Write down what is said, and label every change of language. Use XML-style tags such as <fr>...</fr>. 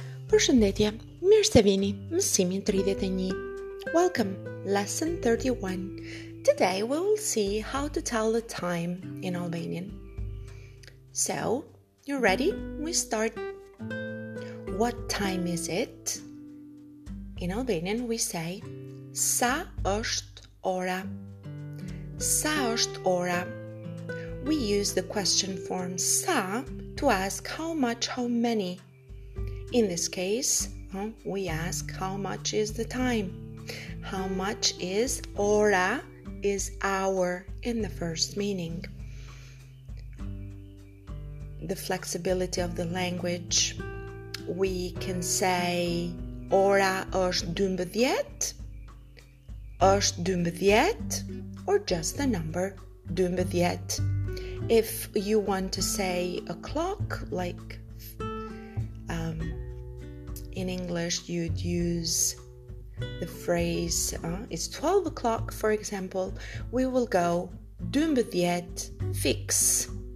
<sq>Përshëndetje, mirë se vini, mësimin 31.</sq> <en>Welcome, lesson 31. Today we will see how to tell the time in Albanian. So, you ready? We start. What time is it? In Albanian we say,</en> <sq>Sa është ora? Sa është ora?</sq> <en>We use the question form sa to ask how much, how many. In this case, we ask how much is the time? How much is ora is hour in the first meaning. The flexibility of the language. We can say</en> <sq>ora është 12, është 12,</sq> <en>or just the number 12. If you want to say a clock, like in English, you'd use the phrase, it's 12 o'clock, for example. We will go, 12 fix.</en>